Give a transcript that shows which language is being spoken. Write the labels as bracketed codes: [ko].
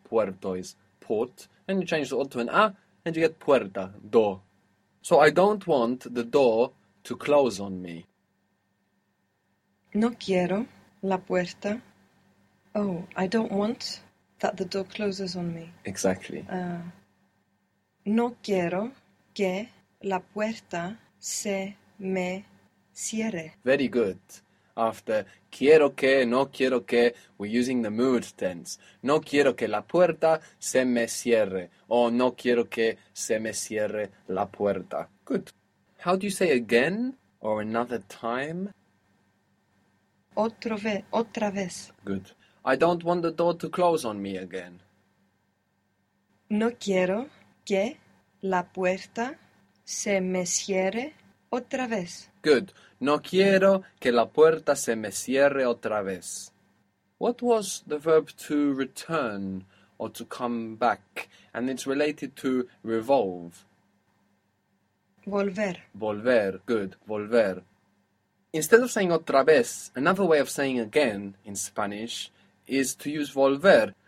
[en] Puerto is port. And you change the O to an A, and you get puerta, door. So, I don't want the door to close on me. [es] No quiero la puerta. [en] Oh, I don't want that the door closes on me. Exactly. [es] No quiero que la puerta se me cierre. [en] Very good. After [es] quiero que, no quiero que, [en] we're using the mood tense. [es] No quiero que la puerta se me cierre. O no quiero que se me cierre la puerta. [en] Good. How do you say again or another time? [es] Otra vez. [en] Good. I don't want the door to close on me again. [es] No quiero que la puerta se me cierre otra vez. [en] Good. [es] No quiero que la puerta se me cierre otra vez. [en] What was the verb to return or to come back? And it's related to revolve. [es] Volver. [en] Volver. Good. Volver. Instead of saying otra vez, another way of saying again in Spanish is to use volver.